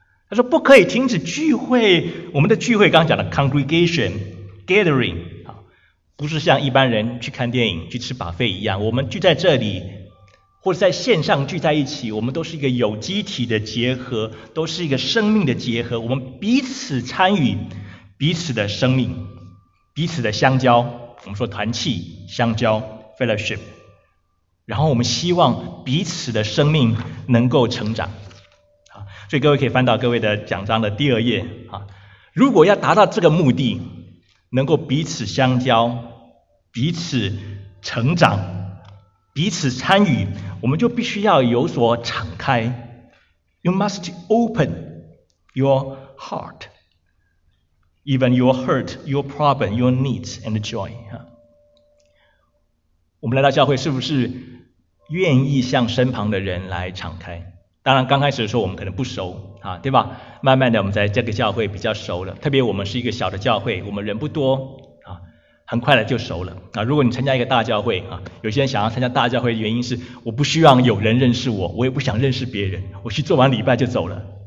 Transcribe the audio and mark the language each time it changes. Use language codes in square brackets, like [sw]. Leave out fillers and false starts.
[zh] 他说不可以停止聚会，我们的聚会刚讲的 congregation gathering，不是像一般人去看电影去吃 buffet 一样，我们聚在这里或者在线上聚在一起，我们都是一个有机体的结合，都是一个生命的结合，我们彼此参与彼此的生命，彼此的相交，我们说团契相交 fellowship， 然后我们希望彼此的生命能够成长。所以各位可以翻到各位的讲章的第二页，如果要达到这个目的，能够彼此相交，彼此成长，彼此参与，我们就必须要有所敞开。 [en] You must open your heart, even your hurt, your problem, your needs and joy. [zh] 我们来到教会是不是愿意向身旁的人来敞开？当然刚开始的时候我们可能不熟，对吧？慢慢的我们在这个教会比较熟了，特别我们是一个小的教会，我们人不多，很快的就熟了。如果你参加一个大教会，有些人想要参加大教会的原因是我不希望有人认识我，我也不想认识别人，我去做完礼拜就走了。